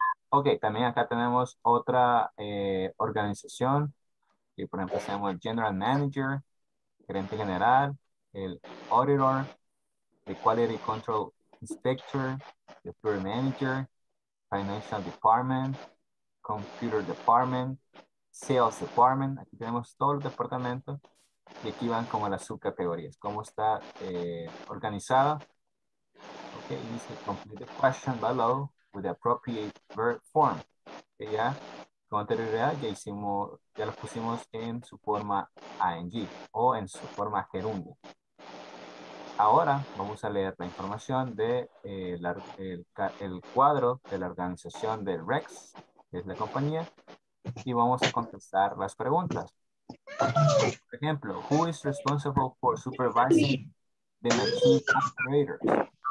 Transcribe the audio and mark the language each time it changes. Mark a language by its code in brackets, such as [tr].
[es] Ok, también acá tenemos otra organización, que por ejemplo tenemos el general manager, gerente general, el auditor, el [en] quality control inspector, [es] el floor manager, financial department, computer department, sales department, aquí tenemos todos los departamentos y aquí van como las subcategorías, cómo está organizada. Ok, dice [en] complete the question below with the appropriate verb form. [es] Okay, ya con anterioridad ya hicimos, ya los pusimos en su forma ing o en su forma gerundio. Ahora vamos a leer la información de el cuadro de la organización de Rex, que es la compañía, y vamos a contestar las preguntas. Por ejemplo, [en] who is responsible for supervising the machine operators?